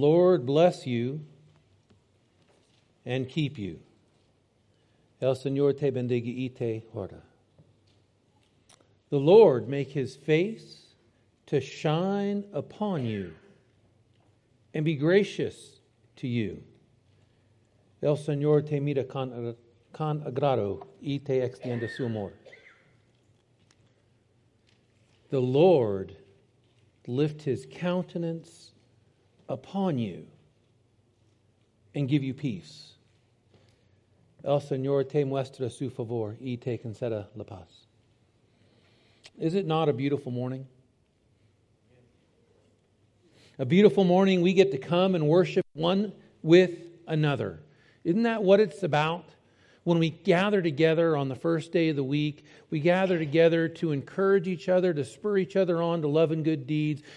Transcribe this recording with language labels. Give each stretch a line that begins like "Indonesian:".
English: Lord bless you and keep you.
Spanish: El Señor te bendiga y te guarda.
English: The Lord make his face to shine upon you and be gracious to you.
Spanish: El Señor te mira con agrado y te extiende su amor.
English: The Lord lift his countenance upon you and give you peace.
Spanish: El Señor te muestra su favor y te conceda la paz.
English: Is it not a beautiful morning? A beautiful morning we get to come and worship one with another. Isn't that what it's about? When we gather together on the first day of the week, we gather together to encourage each other, to spur each other on to love and good deeds.